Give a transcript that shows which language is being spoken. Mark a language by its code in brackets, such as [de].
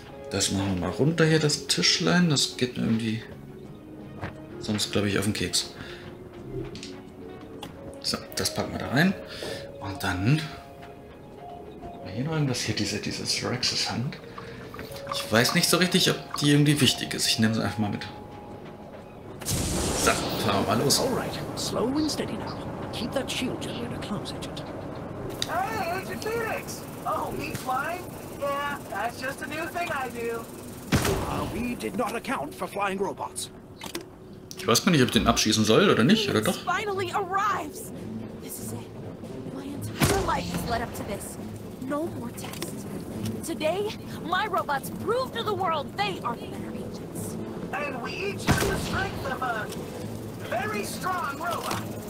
[de] Das machen wir mal runter hier, das Tischlein. Das geht mir irgendwie sonst, glaube ich, auf den Keks. So, das packen wir da rein. Und dann hier noch irgendwas hier, dieses Rexes Hand. Ich weiß nicht so richtig, ob die irgendwie wichtig ist. Ich nehme sie einfach mal mit. So, fahren wir mal los. [en] Alright, slow and steady now. Keep that shield here in a close agent. Hey, Agent Phoenix! Oh, me flying? Yeah, that's just a new thing I do. We did not account for flying robots. [de] Ich weiß gar nicht, ob ich den abschießen soll oder nicht, oder doch? [en] Finally arrives! This is it. My entire life has led up to this. No more tests. Today, my robots prove to the world they are the better agents. And we each have the strength of a very strong robot.